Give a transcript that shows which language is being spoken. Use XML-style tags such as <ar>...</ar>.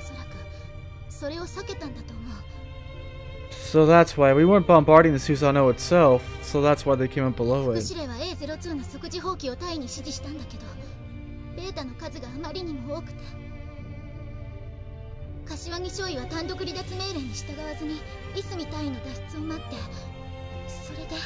<ja>背部から格座地点の手前までは激しい砲撃にさらされていたから、おそらくそれを避けたんだと思う。</ja> <en>So that's why we weren't bombarding the Susanoo itself, so that's why they came up below it.</en> <ja>副司令はA02の即時放棄を隊に指示したんだけど、ベータの数があまりにも多くて、柏木少尉は単独離脱命令に従わずにイスミ隊員の脱出を待って、それで。</ja>